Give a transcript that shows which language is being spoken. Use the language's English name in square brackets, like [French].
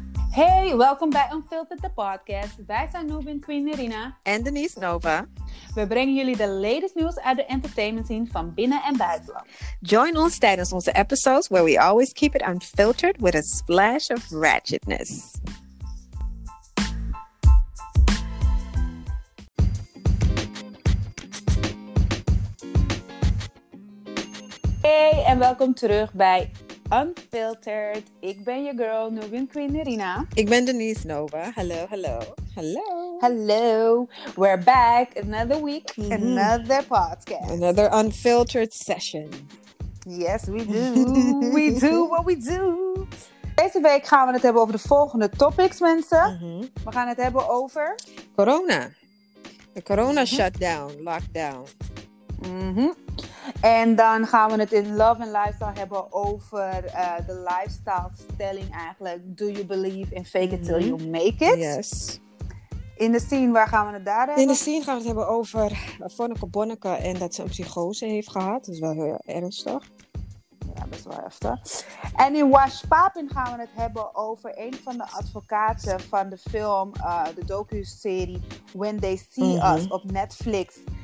[Dutch] Hey, welkom bij Unfiltered, de podcast. Wij zijn Noobin Queen Irina. En Denise Nova. We brengen jullie de latest nieuws uit de entertainment scene van binnen en buitenland. [English] Join [Dutch] ons tijdens onze [English] episodes where we always keep it unfiltered with a splash of ratchetness. [Dutch] Hey, en welkom terug bij Unfiltered. Ik ben je girl, Noobin Queen Irina. Ik ben Denise Nova. Hallo, hallo. Hallo. [English] Hallo. We're back. Another week. Another podcast. Another unfiltered session. Yes, we do. We do what we do. [Dutch] Deze week gaan we het hebben over de volgende topics, mensen. Mm-hmm. We gaan het hebben over... Corona. De corona shutdown, lockdown. Mm-hmm. En dan gaan we het in Love and Lifestyle hebben over de lifestyle stelling eigenlijk. [English] Do you believe in fake it till you make it? Yes. [Dutch] In de scene, waar gaan we het daar hebben? In de scene gaan we het hebben over Vonneke Bonneke en dat ze een psychose heeft gehad. Dat is wel heel ernstig. Ja, best wel heftig. En in Wash Papin gaan we het hebben over een van de advocaten van de film, de docu-serie When They See Us op Netflix.